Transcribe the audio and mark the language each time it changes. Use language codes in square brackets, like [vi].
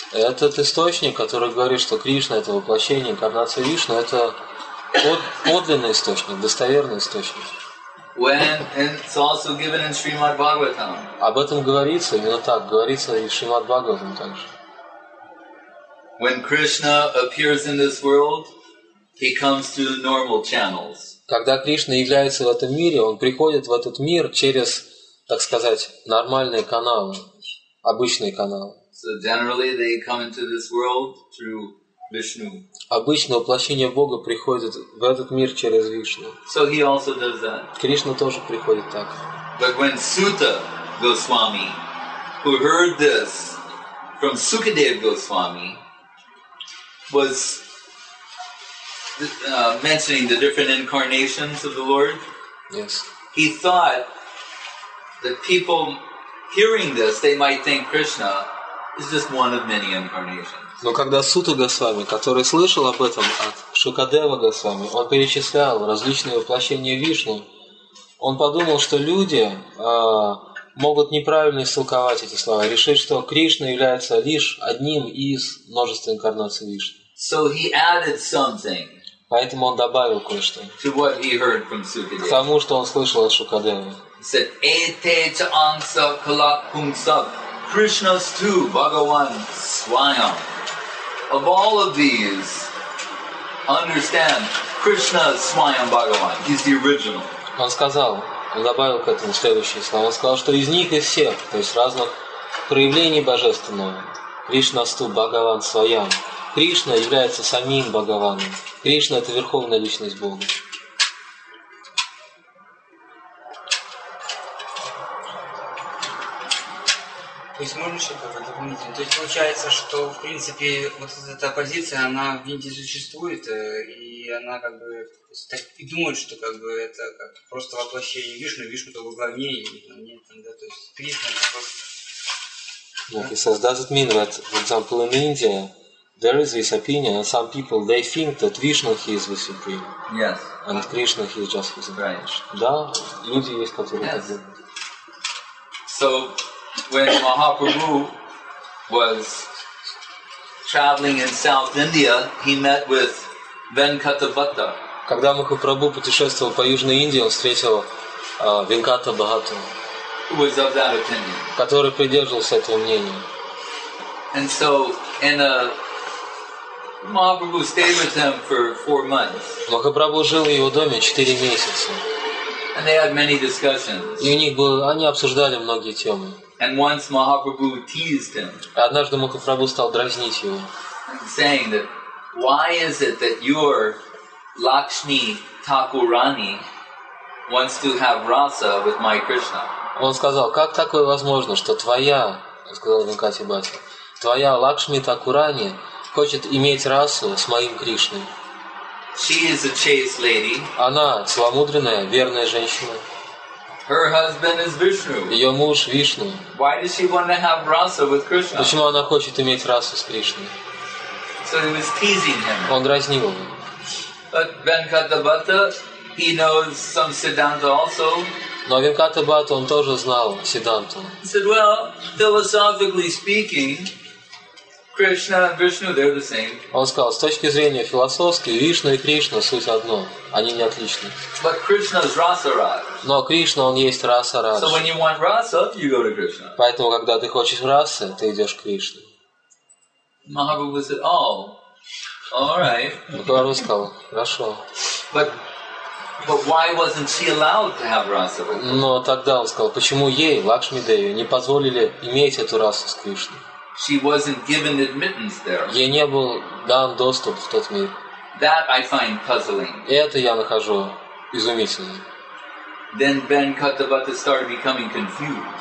[ru] Этот источник, который говорит, что Кришна это воплощение инкарнации Вишну, это подлинный источник, достоверный источник. [en] It's also given in Srimad Bhagavatam. [ru] Об этом говорится, именно так говорится и в Шримад Бхагаватам также. [en] When Krishna appears in this world, he comes through normal channels. [ru] Когда Кришна является в этом мире, он приходит в этот мир через, так сказать, нормальные каналы, обычные каналы. [en] So generally they come into this world through Vishnu. [ru] Обычно воплощение Бога приходит в этот мир через Вишну. [en] So he also does that. [ru] Кришна тоже приходит так. [en] But when Suta Goswami, who heard this from Sukadev Goswami, was mentioning the different incarnations of the Lord, yes. He thought that people hearing this, they might think Krishna is just one of many incarnations. [ru] Но когда Сута Госвами, который слышал об этом от Шукадева Госвами, он перечислял различные воплощения Вишну, он подумал, что люди могут неправильно истолковать эти слова, решить, что Кришна является лишь одним из множества инкарнаций Вишны. [en] So he added something. [ru] Поэтому он добавил кое-что [en] to what he heard from Sukadeva. [ru] К тому, что он слышал от Шукадева. [en] He said, [sa] «Эте чаанса калак пунгсав, Кришнас ту, Бхагаван свайам». [en] Of all of these, understand [sa] Krishna Swayam Bhagavan. [en] He's the original. [ru] Он сказал, он добавил к этому следующие слова. Он сказал, что из них из всех, то есть разных проявлений божественного, [sa] Кришнасту Бхагаван Свайам. [ru] Кришна является самим Бхагаваном. Кришна это верховная личность Бога. То есть можно еще как-то дополнительно. То есть получается, что в принципе вот эта оппозиция, она в Индии существует, и она как бы так и думает, что как бы это как просто воплощение Вишну, Вишну как бы главнее, нет, да, то есть Кришна это просто. [en] Look, it says, does it mean that, for example, in India there is this opinion and some people they think that Vishnu he is the supreme. Yes. And Krishna he is just his branch. Right. [ru] Да, люди есть, которые [en] yes. [ru] так думают. [en] So when Mahaprabhu was traveling in South India, he met with Venkatabhatta. [ru] Когда Махапрабху путешествовал по Южной Индии, он встретил Венкатабхату, [en] who was of that opinion. [ru] Который придерживался этого мнения. [en] And so, Mahaprabhu stayed with him for 4 months. [ru] Махапрабху жил в его доме 4 месяца. [en] And they had many discussions. [ru] И у них было, они обсуждали многие темы. [en] And once Mahaprabhu teased him. [ru] Однажды Махапрабху стал дразнить его. [en] Saying that, why is it that your Lakshmi Thakurani wants to have rasa with my Krishna? [ru] Он сказал, как такое возможно, что твоя, сказал Венкати Бхатта, твоя Лакшми Такурани хочет иметь расу с моим Кришной? [en] She is a chaste lady. [ru] Она целомудренная, верная женщина. [en] Her husband is Vishnu. [ru] Ее муж Вишну. [en] Why does she want to have rasa with Krishna? [ru] Почему она хочет иметь расу с Кришной? [en] So he was teasing him. [ru] Он дразнил его. [en] But Venkatabhatta, he knows some Siddhanta also. [ru] Но Венкатабхатта, он тоже знал Сидданту. [en] He said, well, philosophically speaking, Krishna and Vishnu, they're the same. [ru] Он сказал, с точки зрения философской, Вишна и Кришна суть одно, они не отличны. [en] But Krishna's Rasaraj. [ru] Но Кришна, он есть Rasaraj. [en] So when you want rasa, you go to Krishna. [ru] Поэтому, когда ты хочешь расы, ты идешь к Кришне. [en] Mahaprabhu said, oh, all right. [ru] Махапрабху сказал, хорошо. [en] But why wasn't she allowed to have rasa? [ru] Но тогда он сказал, почему ей, Лакшми Деви, не позволили иметь эту расу с Кришной? [en] She wasn't given admittance there. [ru] Ей не был дан доступ в тот мир. [en] That I find puzzling. [ru] Это я нахожу изумительный. [en] Then Venkatabhata started becoming confused.